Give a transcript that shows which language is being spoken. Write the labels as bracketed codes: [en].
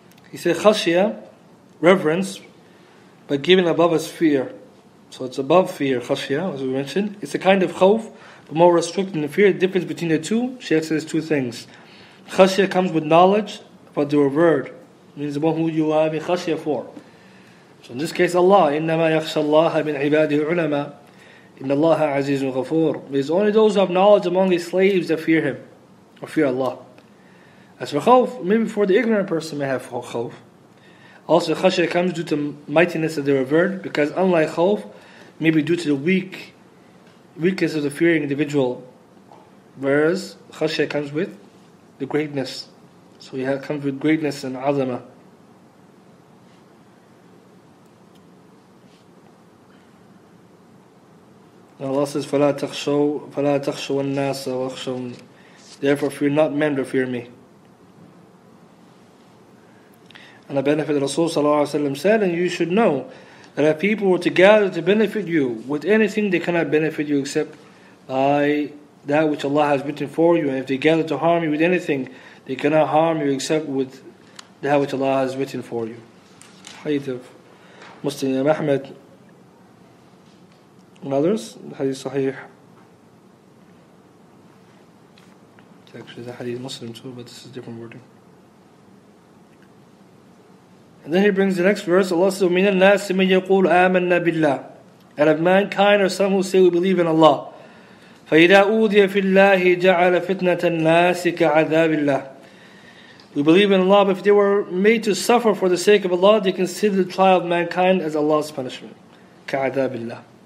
[en] He said, khashya, reverence, but given above as fear. So it's above fear, khashya, as we mentioned. It's a kind of khawf But more restricted than fear, the difference between the two, Shaykh says two things. Khashiyah comes with knowledge, but the reward means the one who you have a khashiyah for. So in this case, [ar] Allah, إِنَّمَا يَخْشَى اللَّهَ مِنْ عِبَادِهِ الْعُلَمَى إِنَّ اللَّهَ عَزِيزٌ غَفُورٌ. [en] It's only those who have knowledge among his slaves that fear him, or fear Allah. As for khawf, maybe for the ignorant person may have khawf. Also, khashiyah comes due to mightiness of the reward, because unlike khawf, maybe due to the weakness of the fearing individual, whereas khashiyah comes with the greatness. So he comes with greatness and azama. Allah says, [ar] فَلَا تَخْشَوَ النَّاسَ وَخْشَوْنِ. [en] Therefore fear not men, but fear me. And the benefit of Rasul sallallahu alayhi wa sallam said, and you should know, that if people were to gather to benefit you with anything, they cannot benefit you except by that which Allah has written for you. And if they gather to harm you with anything, they cannot harm you except with that which Allah has written for you. Hadith of Muslim Imam Ahmed and others, Hadith Sahih. It's actually the Hadith Muslim too, but this is different wording. And then he brings the next verse. Allah says, [ar] مِنَ النَّاسِ مَنْ يَقُولُ آمَنَّا بِاللَّهِ. [en] And of mankind are some who say we believe in Allah. [ar] فَإِذَا أُوذِيَ فِي اللَّهِ جَعَلَ فِتْنَةَ النَّاسِ كَعَذَابِ اللَّهِ. [en] We believe in Allah, but if they were made to suffer for the sake of Allah, they consider the trial of mankind as Allah's punishment. [ar] كَعَذَابِ اللَّهِ.